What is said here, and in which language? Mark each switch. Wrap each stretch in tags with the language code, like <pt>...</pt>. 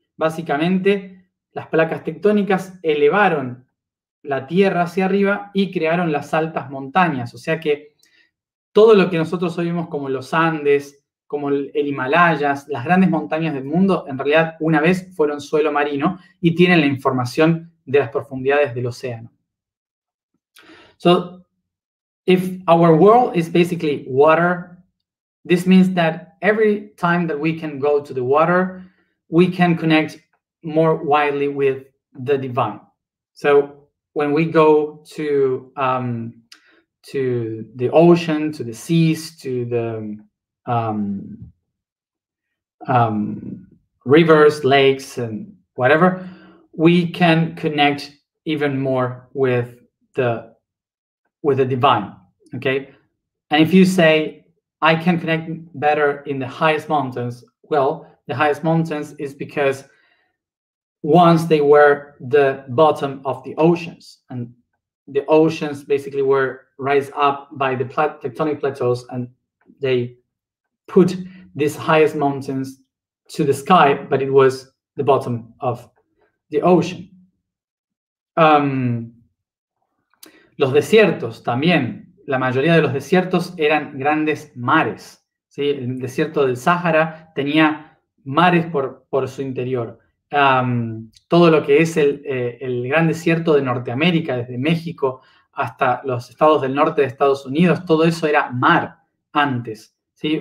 <es>Básicamente, las placas tectónicas elevaron la tierra hacia arriba y crearon las altas montañas. O sea que todo lo que nosotros hoy vemos como los Andes, como el Himalayas, las grandes montañas del mundo, en realidad una vez fueron suelo marino y tienen la información de las profundidades del océano.</es> <en>So, if our world is basically water, this means that every time that we can go to the water, we can connect more widely with the divine. So when we go to the ocean, to the seas, to the rivers, lakes, and whatever, we can connect even more with the divine. Okay? And if you say, I can connect better in the highest mountains. Well, the highest mountains is because once they were the bottom of the oceans, and the oceans basically were raised up by the tectonic plateaus, and they put these highest mountains to the sky, but it was the bottom of the ocean.</en> <es>Los desiertos también, la mayoría de los desiertos eran grandes mares, ¿sí? El desierto del Sahara tenía mares por su interior. Todo lo que es el gran desierto de Norteamérica, desde México hasta los estados del norte de Estados Unidos, todo eso era mar antes, ¿sí?</es>